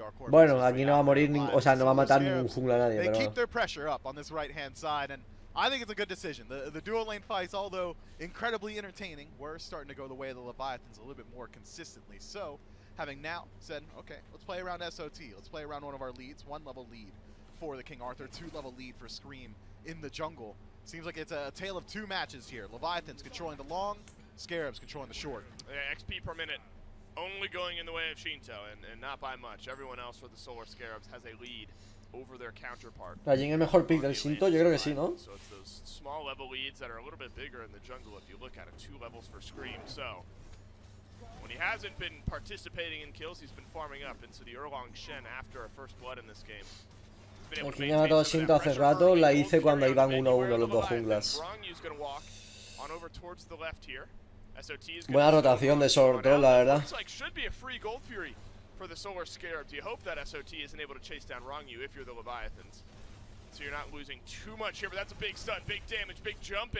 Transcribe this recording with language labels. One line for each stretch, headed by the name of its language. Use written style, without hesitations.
Spanish: Bueno, aquí no va a morir, o sea, no va a matar ningún jungla a nadie, pero...
English: They keep their pressure up on this right-hand side, and I think it's a good decision. The dual lane fights, although incredibly entertaining, were starting to go the way of the Leviathans a little bit more consistently. So, having now said, okay, let's play around SOT. Let's play around one of our leads. One level lead for the King Arthur, two level lead for Scream in the jungle. Seems like it's a tale of two matches here. Leviathans controlling the long, Scarabs controlling the short. Yeah, XP per minute. Only going in the way of Shinto, and not by much. Everyone else for the Solar Scarabs has a lead over their counterpart.
Spanish: Rajin es mejor pick del Shinto, yo creo que sí, ¿no?
English: So it's those small level leads that are a little bit bigger in the jungle if you look at it. Two levels for Scream, so... When he hasn't been participating in kills, he's been farming up into the Erlong Shen after a first blood in this game.
Spanish: El King ha matado a Shinto hace rato, la hice cuando iban 1-1 los dos junglas.
English: Rongyu's gonna walk on over towards the left here.
Spanish: Buena rotación de Sorto, la verdad.
English: Looks like should be a free Gold Fury for the Solar Scarab. Do you hope that SOT isn't able to chase down Rongyu if you're the Leviathans? So you're not losing too much here, but that's a big stun, big damage, big jump in.